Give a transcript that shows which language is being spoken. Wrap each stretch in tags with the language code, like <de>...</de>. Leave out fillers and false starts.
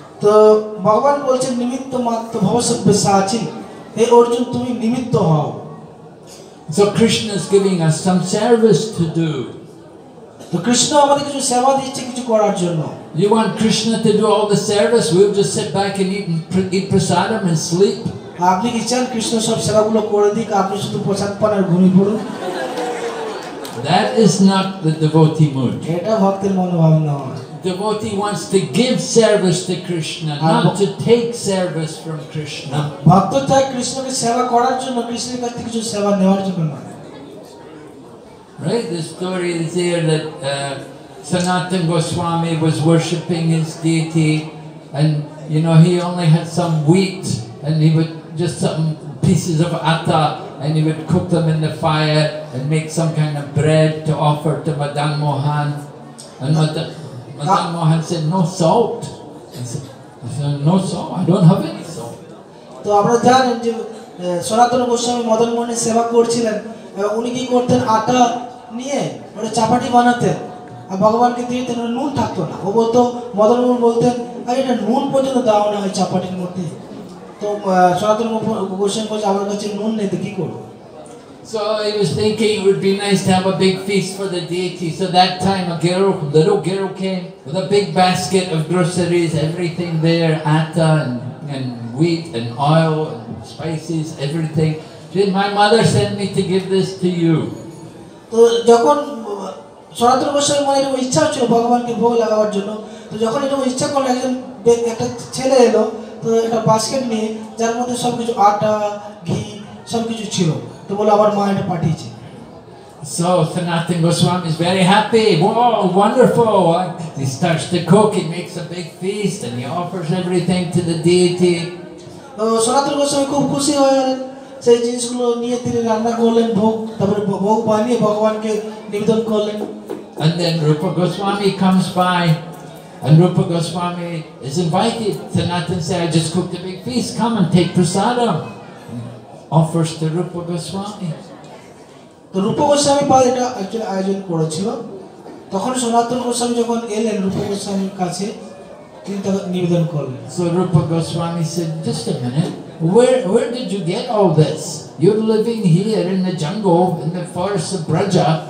<bn>To bhagwan bolche</bn> <sa>nimitta matra bhava sabya sachin.</sa> <bn>Hey Arjuna, tumi nimitto hao.</bn> <en>So Krishna is giving us some service to do.</en> <bn>So Krishna amader kichu seva dicche kichu korar jonno.</bn> <en>You want Krishna to do all the service, we'll just sit back and eat prasadam and sleep.</en> <bn>আপনি ইচ্ছা কৃষ্ণ সব সেবাগুলো করে দিক, আপনি শুধু প্রসাদ পান আর ঘুমিয়ে পড়ুন।</bn> <en>That is not the devotee mood.</en> <bn>এটা ভক্তের মনোভাব নয়।</bn> <en>Devotee wants to give service to Krishna, not to take service from Krishna.</en> <bn>ভক্ত চায় কৃষ্ণকে সেবা করার জন্য, কৃষ্ণের কাছ থেকে কিছু সেবা নেওয়ার জন্য নয়।</bn> <en>Right, the story is here that Sanatan Goswami was worshipping his deity and you know he only had some wheat and he would just some pieces of atta and he would cook them in the fire and make some kind of bread to offer to Madan Mohan. And Madan Mohan said, no salt. I said, no salt, I don't have any salt. So we know that Sanatan Goswami Madan Mohan was doing his service and he would make atta and chapati.</en> <bn>আর ভগবানকে দিয়ে তো নুন থাকতো না, ও বলতো মদন মোহন বলতেন আর এটা নুন পর্যন্ত দেওয়া না হয় চাপাটির মধ্যে, তো সনাতন গোস্বামী বলছে আমার কাছে নুন নেই তো কি করবো।</bn> <en>So he was thinking it would be nice to have a big feast for the deity. So that time a girl, little girl came with a big basket of groceries, everything there, atta and wheat and oil and spices, everything. She said, my mother sent me to give this to you.</en> <bn>তো যখন সনাতন গোস্বামী মনে এরকম ইচ্ছা হচ্ছিল ভগবানকে ভোগ লাগাবার জন্য, তো যখন এরকম ইচ্ছা করলো একজন একটা ছেলে এলো তো একটা বাস্কেট নিয়ে যার মধ্যে সব কিছু আটা ঘি সব কিছু ছিল, তো বলে আমার মা এটা পাঠিয়েছে।</bn> <en>So Sanatan Goswami is very happy. Whoa, wonderful! He starts to cook, he makes a big feast and he offers everything to the deity.</en> <bn>সনাতন গোস্বামী খুব খুশি হয়ে গেলেন, সেই জিনিসগুলো নিয়ে তিনি রান্না করলেন ভোগ, তারপরে ভোগ বানিয়ে ভগবানকে নিবেদন করলেন।</bn> <en>And then Rupa Goswami comes by and Rupa Goswami is invited. Sanatan say, I just cooked a big feast, come and take prasadam. Offers to Rupa Goswami.</en> <bn>তো রূপ গোস্বামী পাড়ে এটা অ্যাকচুয়ালি আয়োজন করেছিল, তখন সনাতন গোস্বামী যখন এলেন রূপ গোস্বামীর কাছে তিনি তাকে নিবেদন করলেন।</bn> <en>So Rupa Goswami said, just a minute, Where did you get all this? You're living here in the jungle, in the forest of Braja.</en>